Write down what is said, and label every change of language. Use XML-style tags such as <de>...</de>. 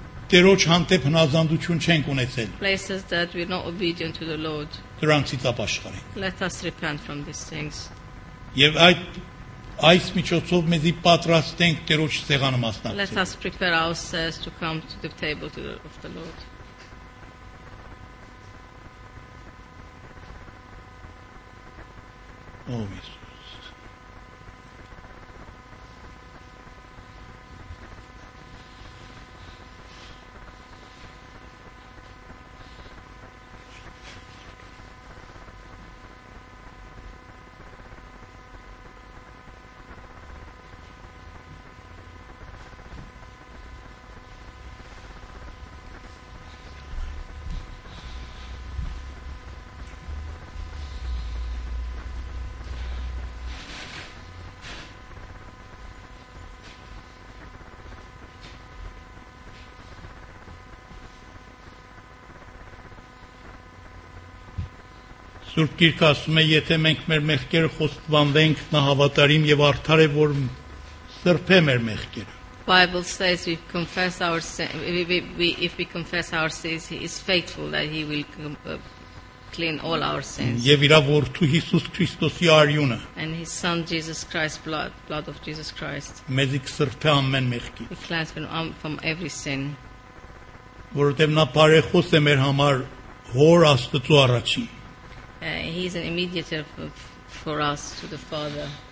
<hy>տերոջ հանդեպ հնազանդություն չենք ունեցել։</hy> <en>Places that we're not obedient to the Lord.</en> <hy>Դրանցից ապաշխարենք։</hy> <en>Let us repent from these things.</en> <hy>Եվ այդ այս միջոցով մեզի պատրաստենք տերոջ սեղանը մասնակցել։</hy> <en>Let us prepare ourselves to come to the table of the Lord.</en> <hy>Սուրբ գիրքը ասում է, եթե մենք մեր մեղքերը խոստովանենք, նա հավատարիմ եւ արդար է, որ սրբե մեր մեղքերը.</hy> <en>Bible says we confess our sin, if we confess our sins, he is faithful that he will clean all our sins.</en> <hy>Եվ իրա որդու Հիսուս Քրիստոսի արյունը.</hy> <en>And his son Jesus Christ blood of Jesus Christ.</en> <hy>Մեզ սրբե ամեն մեղքի.</hy> <en>He cleanses from every sin.</en> <hy>Որովհետև նա բարեխոս է մեր համար հոր Աստծո առաջին.</hy> <en>He is an immediate for us to the Father.</en>